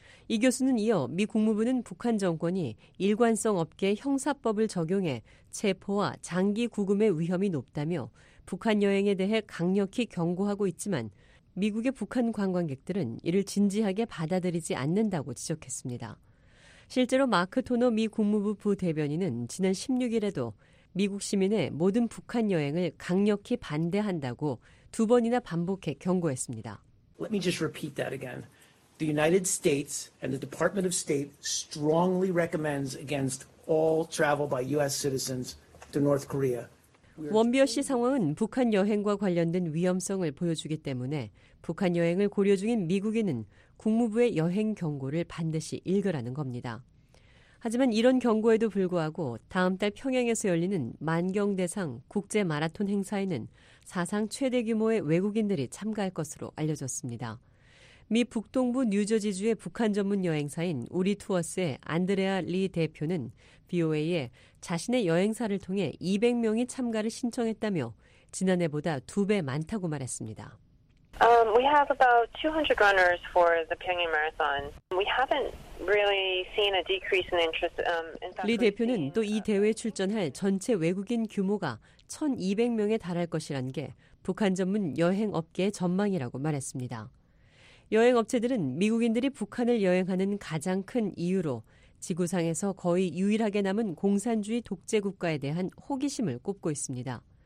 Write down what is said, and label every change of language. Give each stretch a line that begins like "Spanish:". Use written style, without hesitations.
Korean: 이 교수는 이어 미 국무부는 북한 정권이 일관성 없게 형사법을 적용해 체포와 장기 구금의 위험이 높다며 북한 여행에 대해 강력히 경고하고 있지만 미국의 북한 관광객들은 이를 진지하게 받아들이지 않는다고 지적했습니다. 실제로 마크 토너 미 국무부 부대변인은 지난 16일에도 미국 시민의 모든 북한 여행을 강력히 반대한다고 두 번이나 반복해 경고했습니다.
English: Let me just repeat that again. The United States and the Department of State strongly recommends against all travel by U.S. citizens to North Korea.
Korean: 원비어 씨 상황은 북한 여행과 관련된 위험성을 보여주기 때문에 북한 여행을 고려 중인 미국인은 국무부의 여행 경고를 반드시 읽으라는 겁니다. 하지만 이런 경고에도 불구하고 다음 달 평양에서 열리는 만경대상 국제 마라톤 행사에는 사상 최대 규모의 외국인들이 참가할 것으로 알려졌습니다. 미 북동부 뉴저지주의 북한 전문 여행사인 우리 투어스의 안드레아 리 대표는 BOA에 자신의 여행사를 통해 200명이 참가를 신청했다며 지난해보다 두 배 많다고 말했습니다.
English: We have about 200 runners for the Pyongyang Marathon. We haven't really seen a decrease in interest.
Korean: 리 대표는 또 이 대회에 출전할 전체 외국인 규모가 1,200명에 달할 것이란 게 북한 전문 여행 업계의 전망이라고 말했습니다. 여행업체들은 미국인들이 북한을 여행하는 가장 큰 이유로 지구상에서 거의 유일하게 남은 공산주의 독재 국가에 대한 호기심을 꼽고 있습니다.